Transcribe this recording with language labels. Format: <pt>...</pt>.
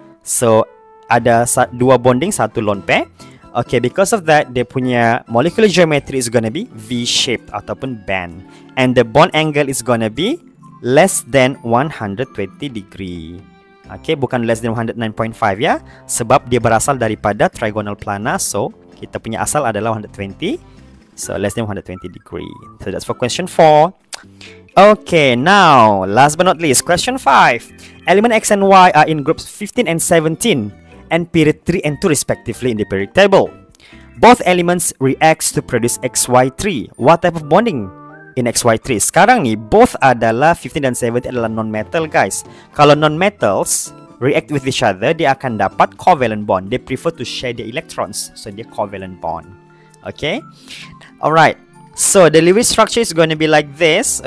<en>So</en> <ms>ada dua</ms> <en>bonding, satu lone pair. Okay, because of that,</en> <ms>dia punya</ms> <en>molecular geometry is gonna be V-shaped</en> <ms>ataupun</ms> <en>bent. And the bond angle is gonna be less than 120 degree.</en> <ms>Okay, bukan</ms> <en>less than 109.5</en> <ms>ya. Sebab dia berasal daripada trigonal planar. So, kita punya asal adalah 120.</ms> <en>So, less than 120 degree. So, that's for question 4. Okay, now, last but not least, question 5. Element X and Y are in groups 15 and 17. And period 3 and 2 respectively in the periodic table. Both elements react to produce XY3. What type of bonding in XY3?</en> <ms>Sekarang ni, both adalah 15 dan 17 adalah non-metal guys.</ms> <en>Kalau non-metals react with each other,</en> <ms>dia akan dapat</ms> <en>covalent bond. They prefer to share their electrons,</en> <ms>so dia</ms> <en>covalent bond. Okay? Alright. So, the Lewis structure is going to be like this.</en>